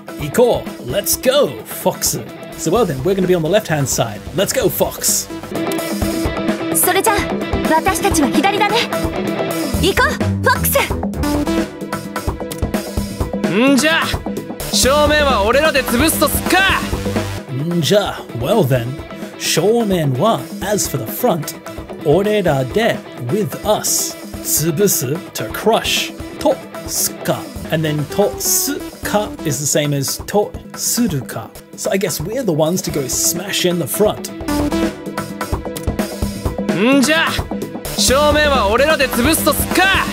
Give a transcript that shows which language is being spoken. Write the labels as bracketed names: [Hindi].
[Japanese] 行こう、 [English] let's go, Fox. So well then, we're gonna be on the left-hand side. Let's go, Fox. [Japanese] それじゃあ、私たちは左だね。行こう、フォックス。んじゃ。正面は俺らで潰すとすっか。んじゃ、 [English] well then、 [Japanese] 正面は [English] as for the front [Japanese] 俺らで [English] with us [Japanese] 潰す [English] to crush [Japanese] とすか [English] and then とすか is the same as [Japanese] とするか [English] so I guess we're the ones to go smash in the front [Japanese] んじゃ正面は俺らで潰すとすか